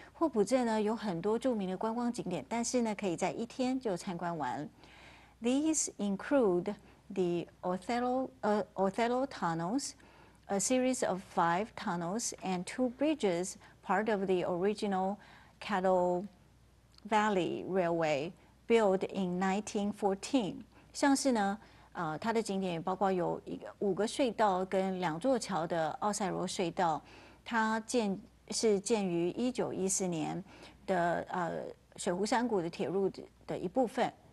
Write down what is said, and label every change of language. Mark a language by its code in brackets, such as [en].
[zh] 霍普镇呢有很多著名的观光景点，但是呢可以在一天就参观完。 [en] These include the Othello Tunnels, a series of five tunnels and two bridges. Part of the original Kettle Valley Railway, built in 1914. [zh] 像是呢，它的景点包括有五个隧道跟两座桥的奥赛罗隧道，它建于1914年的水壶山谷的铁路的一部分。